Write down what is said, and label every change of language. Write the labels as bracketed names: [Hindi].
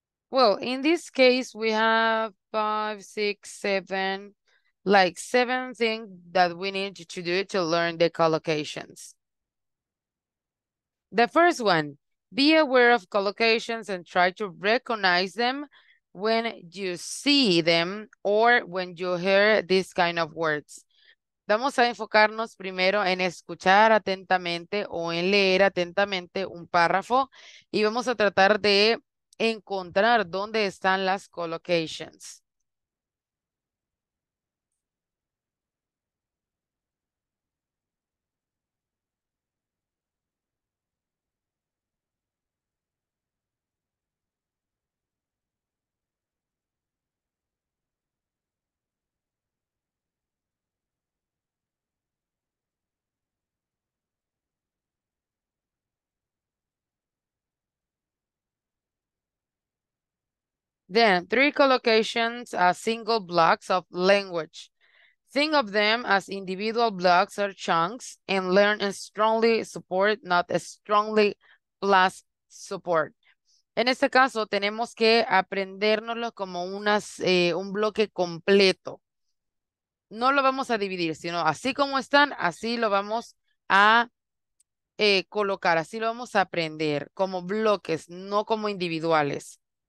[English] Well, in this case, we have 5, 6, 7, like 7 things that we need to do to learn the collocations. The first one, be aware of collocations and try to recognize them when you see them or when you hear these kind of words. [Spanish] Vamos a enfocarnos primero en escuchar atentamente o en leer atentamente un párrafo y vamos a tratar de encontrar dónde están las collocations. [English] Then, three collocations are single blocks of language. Think of them as individual blocks or chunks and learn and strongly support, not a strongly plus support. [Spanish] En este caso, tenemos que aprendérnoslo como un bloque completo. No lo vamos a dividir, sino así como están, así lo vamos a colocar, así lo vamos a aprender, como bloques, no como individuales.